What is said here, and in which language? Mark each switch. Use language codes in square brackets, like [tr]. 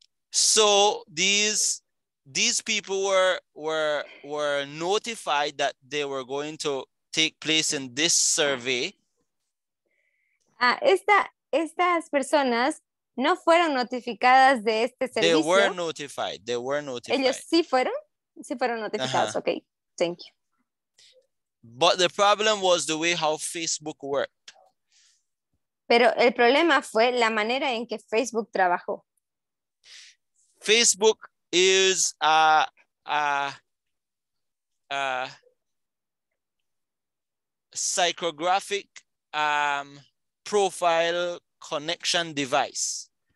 [en] So these people were notified that they were going to take place in this survey. [es] Estas personas no fueron notificadas de este servicio. [en] They were notified. [es] Ellos sí fueron notificados. Uh-huh. [en] Okay. Thank you. But the problem was the way how Facebook worked. [es] Pero el problema fue la manera en que Facebook trabajó. [en] Facebook is a psychographic profile connection device.